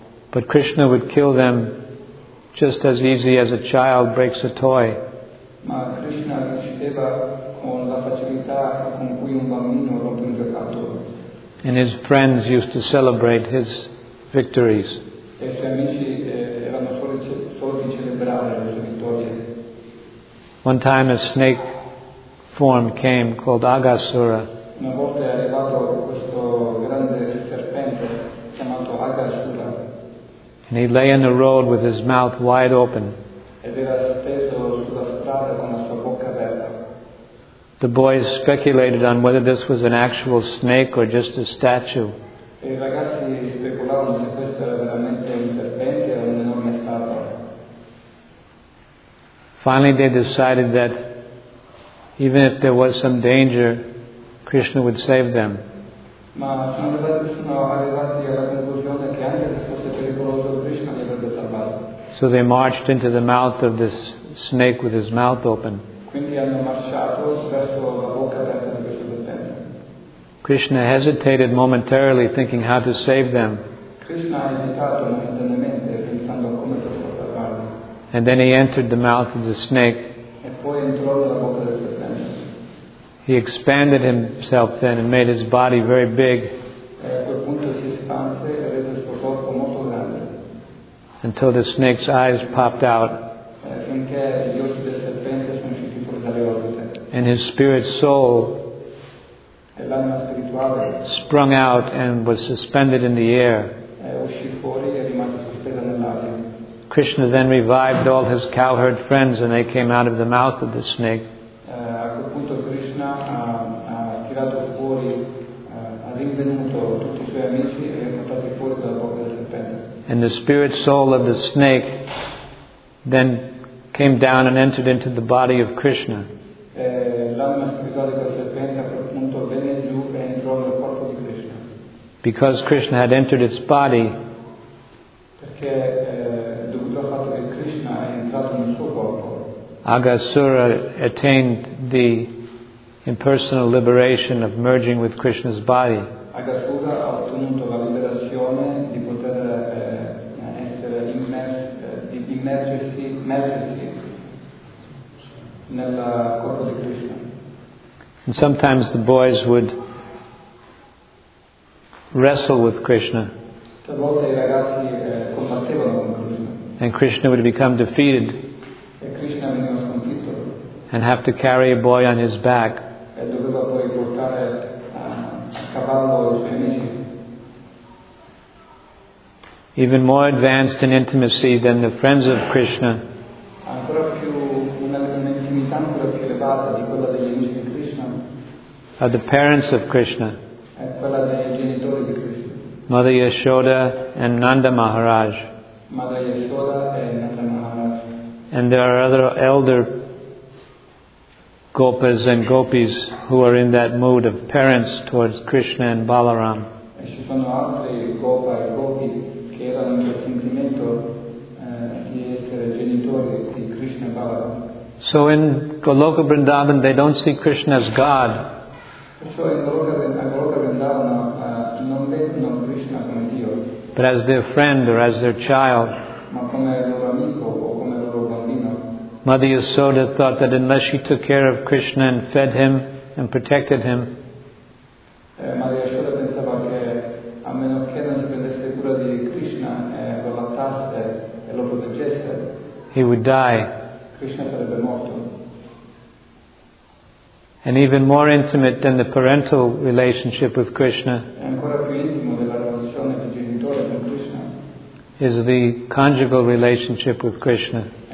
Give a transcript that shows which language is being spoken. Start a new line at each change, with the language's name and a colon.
English: But Krishna would kill them just as easy as a child breaks a toy.
Italian: Ma Krishna li uccideva con la facilità con cui un bambino rompe un giocattolo.
English: And his friends used to celebrate his victories.
Italian: E i suoi amici erano soli di celebrare le sue vittorie.
English: One time a snake form came called Agasura.
Italian: Una volta è arrivato questo grande serpente chiamato Agasura.
English: And he lay in the road with his mouth wide open.
Italian: Ed era steso sulla strada con la sua bocca aperta.
English: The boys speculated on whether this was an actual snake or just a statue.
Italian: E i ragazzi speculavano se questo era veramente un serpente o un'enorme statua.
English: Finally they decided that even if there was some danger, Krishna would save them.
Italian: Ma sono arrivati alla conclusione che anche se fosse pericoloso Krishna li avrebbe salvati.
English: So they marched into the mouth of this snake with his mouth open.
Italian: Quindi hanno marciato verso la bocca aperta di questo serpente.
English: Krishna hesitated momentarily, thinking how to save them.
Italian: Krishna ha esitato momentaneamente, pensando come poter salvarli.
English: And then he entered the mouth of the snake.
Italian: E poi entrò nella bocca del serpente.
English: He expanded himself then and made his body very big.
Italian: E a quel punto si espanse e rese il suo corpo molto grande.
English: Until the snake's eyes popped out.
Italian: E affinché gli occhi del serpente sono usciti fuori dalle orbite.
English: And his spirit soul
Italian: e l'anima spirituale
English: sprung out and was suspended in the air.
Italian: Uscì fuori e rimase sospesa nell'aria.
English: Krishna then revived all his cowherd friends and they came out of the mouth of the snake.
Italian: A quel punto Krishna ha tirato fuori, ha rinvenuto tutti i suoi amici e li ha portati fuori dalla bocca del serpente.
English: And the spirit soul of the snake then came down and entered into the body of Krishna.
Italian: L'anima spirituale del serpente a quel punto venne giù e entrò nel corpo di Krishna.
English: Because Krishna had entered its body,
Italian: perché dovuto al fatto che Krishna è entrato nel suo corpo,
English: Agasura attained the impersonal liberation of merging with Krishna's body.
Italian: Agasura ha ottenuto la liberazione di poter essere immersi nel corpo di Krishna.
English: And sometimes the boys would wrestle with Krishna.
Italian: Talvolta i ragazzi combattevano con Krishna.
English: And Krishna would become defeated.
Italian: E Krishna veniva sconfitto.
English: And have to carry a boy on his back.
Italian: E doveva poi portare a cavallo i suoi amici.
English: Even more advanced in intimacy than the friends of Krishna.
Italian: Ancora più un'intimità ancora più elevata di quella degli amici di Krishna.
English: Are the parents of Krishna.
Italian: È quella dei genitori di Krishna.
English: Mother Yashoda and Nanda Maharaj.
Italian: Mother Yashoda and Nanda Maharaj.
English: And there are other elder gopas and gopis who are in that mood of parents towards Krishna and Balaram.
Italian: Ci sono altri gopa e gopi che erano in quel sentimento di essere genitori di Krishna e Balaram.
English: So in Goloka Vrindavan they don't see Krishna as God.
Italian: So in Goloka Vrindavan non vedono Krishna come Dio.
English: But as their friend or as their child.
Italian: Ma come loro amico o come loro bambino.
English: Mother Yashoda thought that unless she took care of Krishna and fed him and protected him,
Italian: Mother Yashoda pensava che a meno che non si prendesse cura di Krishna e lo lattasse e lo proteggesse,
English: he would die.
Italian: Krishna sarebbe morto.
English: And even more intimate than the parental relationship with Krishna,
Italian: ancora più intimo della relazione di genitore con Krishna,
English: is the conjugal relationship with Krishna.